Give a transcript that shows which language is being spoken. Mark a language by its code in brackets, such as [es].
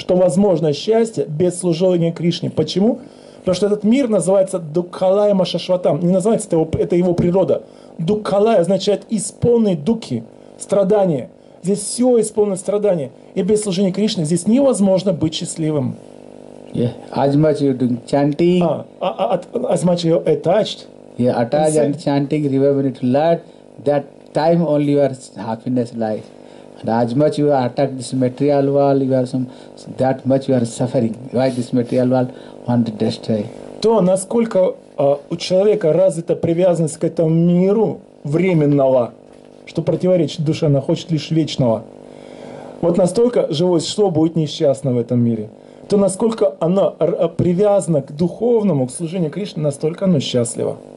[ru] Что возможно счастье без служения Кришне. Почему? Потому что этот мир называется Дукхалая Машашватам. Не называется, это его природа. Дукхалая означает исполненные дуки, страдания. Здесь все исполнено страдания. И без служения Кришне здесь невозможно быть счастливым. [en] As much you're doing chanting. As much you're attached. Yeah, attached and chanting, remembering to learn that time only your happiness life. And as much you attack this material world, you are that much you are suffering. Why this material world want to destroy? [ru] То, насколько у человека развита привязанность к этому миру временного, что противоречит душе, она хочет лишь вечного. Вот настолько живое существо будет несчастно в этом мире. То насколько оно привязано к духовному, к служению Кришне, настолько оно счастливо.